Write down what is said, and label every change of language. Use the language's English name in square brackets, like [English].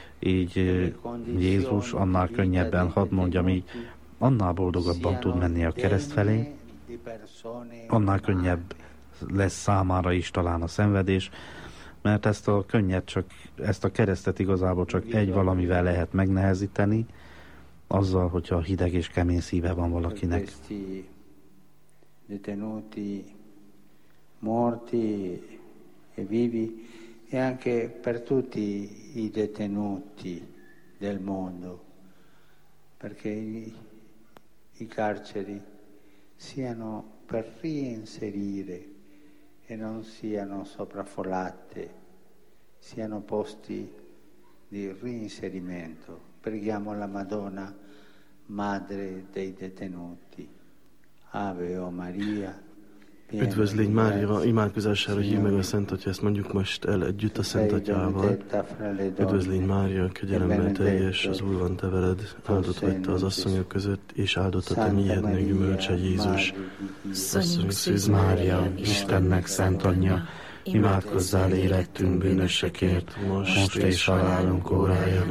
[Hungarian] így Jézus annál könnyebben, hadd mondjam így, annál boldogabban tud menni a kereszt felé, annál könnyebb lesz számára is talán a szenvedés, mert ezt a könnyet csak, ezt a keresztet igazából csak egy valamivel lehet megnehezíteni, azzal, hogyha hideg és kemény szíve van valakinek. [Italian] Detenuti morti e vivi e anche per tutti i detenuti del mondo perché i carceri siano per reinserire e non siano sovraffollate, siano posti di reinserimento. Preghiamo la Madonna, madre dei detenuti. Ave o Maria. [Hungarian] Üdvözlégy Mária, imádkozására hív meg a Szent Atya, ezt mondjuk most el együtt a Szent Atyával. Üdvözlégy Mária, kegyelemmel teljes, az Úr van te veled, áldott vagy te az asszonyok között, és áldott a te mihennek gyümölcse, Jézus. Asszony Szűz Mária, Istennek Szent Anyja, imádkozzál életünk bűnösekért, most és halálunk óráján.